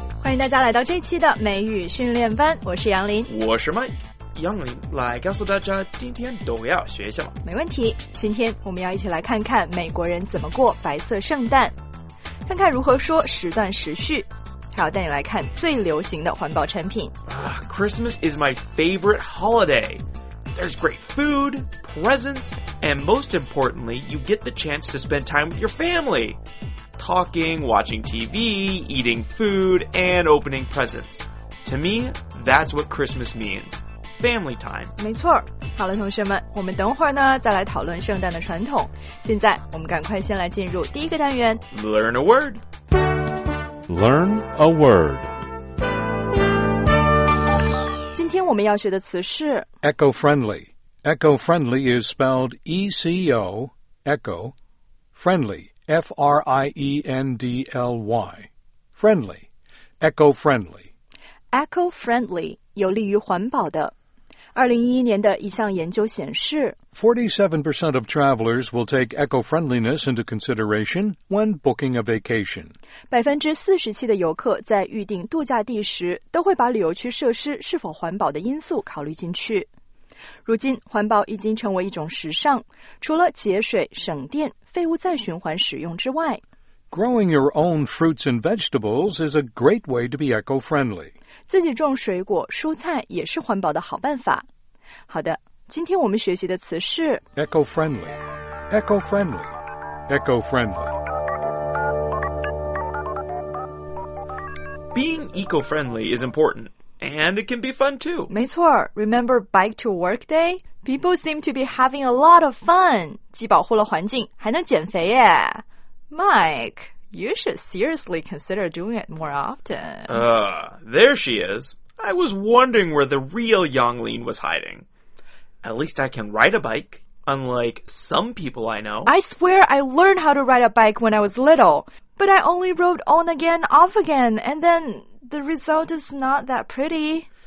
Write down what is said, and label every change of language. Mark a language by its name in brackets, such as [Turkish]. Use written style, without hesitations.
[Chinese] 迎大家来到这期的美语训练班，我是杨林，我是麦。杨林来告诉大家今天都要学什么。没问题，今天我们要一起来看看美国人怎么过白色圣诞，看看如何说时断时续，还要带你来看最流行的环保产品。 [English] Christmas is my favorite holiday. There's great food, presents, and most importantly, you get the chance to spend time with your family. Talking, watching TV, eating food, and opening presents. To me, that's what Christmas means. Family time. [Chinese] 没错。好了，同学们，我们等会儿呢再来讨论圣诞的传统。现在我们赶快先来进入第一个单元。 [English] Learn a word. Learn a word. [Chinese] 今天我们要学的词是 [English] eco-friendly. Eco-friendly is spelled E-C-O, echo, friendly, F-R-I-E-N-D-L-Y. Friendly. Eco-friendly. [Chinese] Eco-friendly, 有利于环保的。 2011年的一项研究显示 [English] 47% of travelers will take eco-friendliness into consideration when booking a vacation. [Chinese] 47%的游客在预订度假地时都会把旅游区设施是否环保的因素考虑进去。如今环保已经成为一种时尚，除了节水、省电、废物再循环使用之外， [English] Growing your own fruits and vegetables is a great way to be eco-friendly. [Chinese] 自己种水果、蔬菜也是环保的好办法。好的，今天我们学习的词是 [English] eco-friendly, eco-friendly, eco-friendly. Being eco-friendly is important, and it can be fun too. [Chinese] 没错 [English] ，Remember bike to work day? People seem to be having a lot of fun. [Chinese] 既保护了环境，还能减肥耶 ，Mike. [English] You should seriously consider doing it more often. There she is. I was wondering where the real Yang Lin was hiding. At least I can ride a bike, unlike some people I know. I swear I learned how to ride a bike when I was little, but I only rode on again, off again, and then the result is not that pretty.